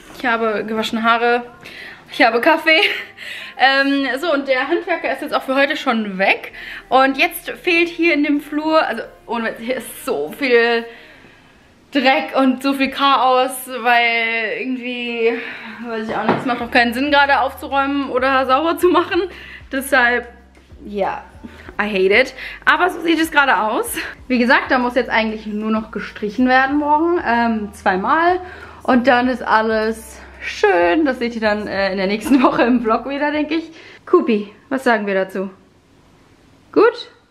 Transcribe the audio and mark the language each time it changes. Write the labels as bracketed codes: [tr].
[de] Ich habe gewaschen Haare. Ich habe Kaffee. So, und der Handwerker ist jetzt auch für heute schon weg. Und jetzt fehlt hier in dem Flur, also ohne, hier ist so viel Dreck und so viel Chaos, weil irgendwie, weiß ich auch nicht, es macht auch keinen Sinn, gerade aufzuräumen oder sauber zu machen. Deshalb, ja, [en] yeah, I hate it. [de] Aber so sieht es gerade aus. Wie gesagt, da muss jetzt eigentlich nur noch gestrichen werden morgen. Zweimal. Und dann ist alles schön. Das seht ihr dann in der nächsten Woche im Vlog wieder, denke ich. Kupi, was sagen wir dazu? Gut?